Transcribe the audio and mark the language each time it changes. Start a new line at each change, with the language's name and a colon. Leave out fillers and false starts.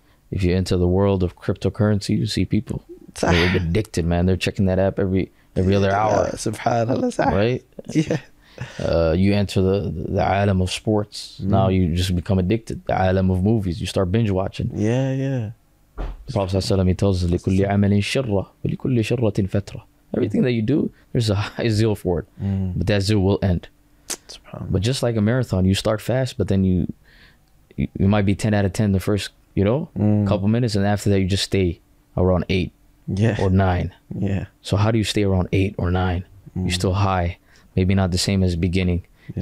English: If you enter the world of cryptocurrency, you see people. They're addicted, man. They're checking that app every other hour. SubhanAllah. Right? Yeah. You enter the alam of sports. Mm. Now you just become addicted. The alam of movies. You start binge watching. Yeah, yeah. The Prophet ﷺ, he tells us,
Arabic: لِكُلِّ عَمَلٍ شِرَّةٍ وَلِكُلِّ شِرَّةٍ فَتْرَةٍ.
English: Everything that you do, there's a high zeal for it. Mm. But that zeal will end. SubhanAllah. But just like a marathon, you start fast, but then you might be 10 out of 10 the first, you know, couple minutes. And after that, you just stay around 8. Yeah. Or 9. Yeah. So how do you stay around 8 or 9? Mm. You're still high. Maybe not the same as the beginning. Yeah.